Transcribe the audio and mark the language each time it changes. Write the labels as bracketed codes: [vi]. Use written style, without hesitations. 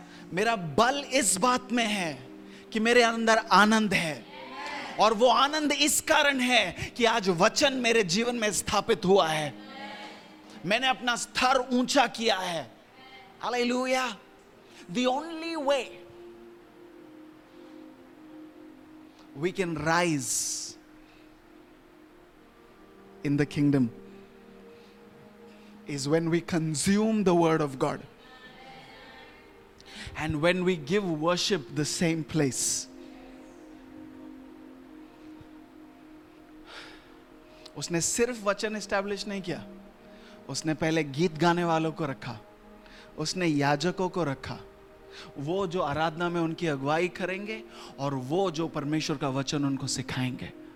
[hi] Mera bal is baat mein hai कि मेरे अंदर आनंद है, और वो आनंद इस कारण है कि आज वचन मेरे जीवन में स्थापित हुआ है, मैंने अपना स्तर ऊंचा किया है। Hallelujah. [en] The only way we can rise in the kingdom is when we consume the word of God. And when we give worship the same place, [hi] उसने सिर्फ वचन establish नहीं किया, उसने पहले गीत गाने वालों को रखा, उसने याजकों को रखा, वो जो आराधना में उनकी अगुवाई करेंगे और वो जो परमेश्वर का वचन उनको सिखाएंगे।